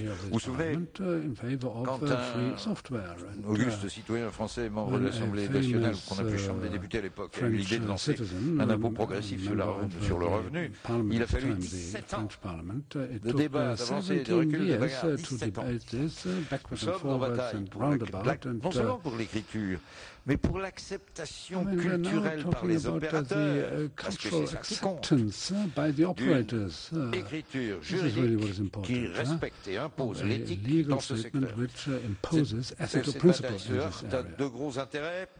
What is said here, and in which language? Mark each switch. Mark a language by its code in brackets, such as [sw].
[fr] Vous souvenez, quand un auguste citoyen français membre de l'Assemblée nationale qu'on a pu chambre des députés à l'époque a eu l'idée de lancer un impôt progressif sur le revenu, il a fallu 17 [en] French Parliament. It took 17 years to debate this, backwards and forwards and roundabout. [fr] Mais pour l'acceptation culturelle par les opérateurs, parce que c'est ça qui compte, d'une écriture juridique qui respecte et impose l'éthique dans ce secteur. C'est pas d'ailleurs de gros intérêts.